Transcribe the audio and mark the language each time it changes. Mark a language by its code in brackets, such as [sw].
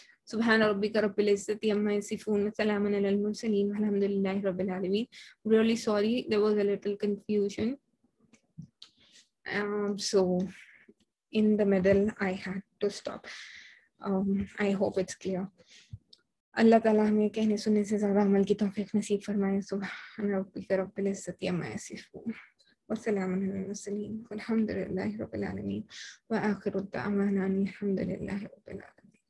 [ar] سبحان ربك رب العزة عما يصفون وسلام على المرسلين والحمد لله رب العالمين. [en] Really sorry, there was a little confusion. So in the middle I had to stop. I hope it's clear. [ur] اللہ تعالیٰ ہمیں کہنے سننے سے زیادہ عمل کی توفیق نصیب فرمائے. [ar] سبحان ربك رب العزة عما يصفون وسلام على المرسلين والحمد لله رب العالمين وآخر الدعوانا الحمد لله رب العالمين.